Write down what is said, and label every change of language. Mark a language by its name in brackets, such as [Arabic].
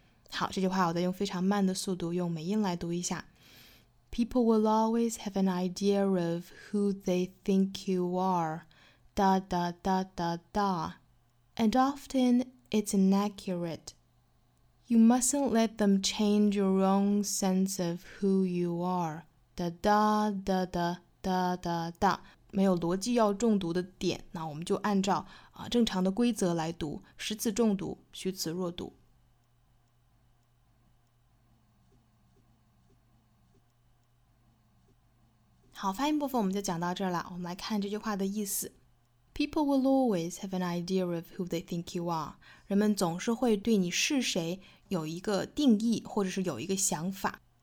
[Chinese] 好，这句话我再用非常慢的速度用美音来读一下。 [English] People will always have an idea of who they think you are, da da da da da, and often it's inaccurate. You mustn't let them change your own sense of who you are. Da da da da da da da. [Chinese] 没有逻辑要重读的点，那我们就按照正常的规则来读，实词重读，虚词弱读。好，发音部分我们就讲到这儿了。我们来看这句话的意思。 [English] People will always have an idea of who they think you are. [Chinese] 人们总是会对你是谁有一个定义或者是有一个想法。